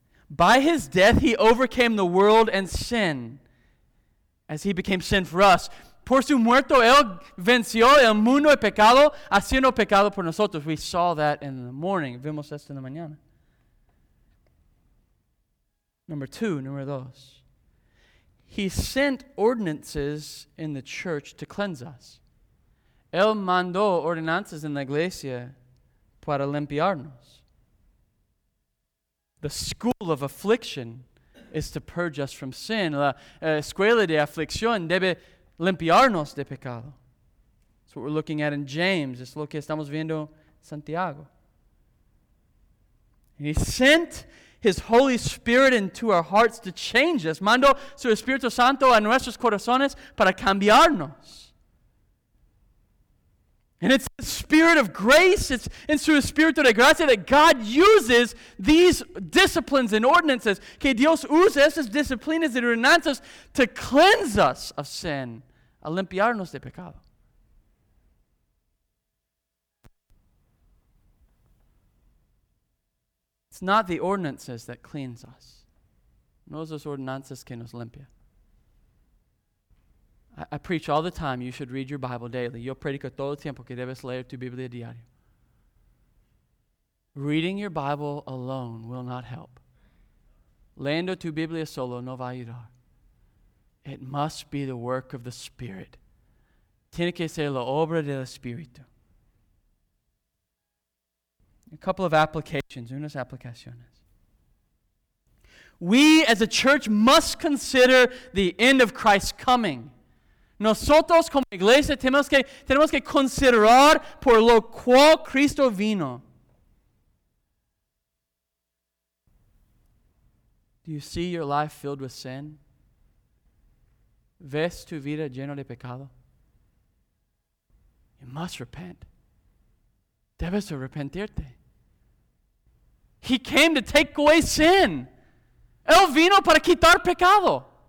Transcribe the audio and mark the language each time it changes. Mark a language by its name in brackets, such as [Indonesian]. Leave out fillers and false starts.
[English] By his death, he overcame the world and sin, as he became sin for us. [Spanish] Por su muerto, él venció el mundo y pecado, haciendo pecado por nosotros. [English] We saw that in the morning. [Spanish] Vimos esto en la mañana. [English] Number dos. He sent ordinances in the church to cleanse us. [Spanish] Él mandó ordenanzas en la iglesia para limpiarnos. [English] The school of affliction is to purge us from sin. [Spanish] La escuela de aflicción debe limpiarnos de pecado. [English] That's what we're looking at in James. [Spanish] Es lo que estamos viendo en Santiago. [English] And he sent his Holy Spirit into our hearts to change us. [Spanish] Mandó su Espíritu Santo a nuestros corazones para cambiarnos. [English] And it's the spirit of grace, it's in [Spanish] su espíritu de gracia [English] that God uses these disciplines and ordinances, [Spanish] que Dios usa esas disciplinas y ordenanzas [English] to cleanse us of sin, [Spanish] a limpiarnos de pecado. [English] It's not the ordinances that cleans us. [Spanish] No es las ordenanzas que nos limpia. [English] I preach all the time, you should read your Bible daily. [Spanish] Yo predico todo el tiempo que debes leer tu Biblia diario. [English] Reading your Bible alone will not help. [Spanish] Leyendo tu Biblia solo no va a ayudar. [English] It must be the work of the Spirit. [Spanish] Tiene que ser la obra del Espíritu. [English] A couple of applications, [Spanish] unas aplicaciones. [English] We as a church must consider the end of Christ's coming. [Spanish] Nosotros como iglesia tenemos que considerar por lo cual Cristo vino. [English] Do you see your life filled with sin? [Spanish] ¿Ves tu vida lleno de pecado? [English] You must repent. [Spanish] Debes arrepentirte. [English] He came to take away sin. [Spanish] Él vino para quitar pecado.